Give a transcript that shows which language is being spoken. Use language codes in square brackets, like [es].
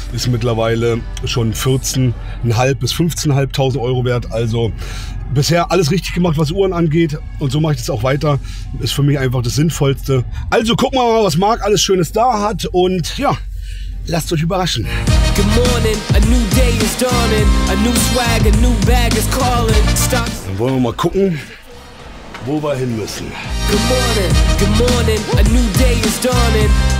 [de] Ist mittlerweile schon 14.500 bis 15.500 Euro wert. Also bisher alles richtig gemacht, was Uhren angeht. Und so mache ich das auch weiter. Ist für mich einfach das Sinnvollste. Also gucken wir mal, was Marc alles Schönes da hat. Und ja, lasst euch überraschen. [en] Good morning, a new day is dawning. A new swag, a new bag is calling. Stop. [de] Dann wollen wir mal gucken, wo wir hin müssen. [en] Good morning, good morning, a new day is dawning.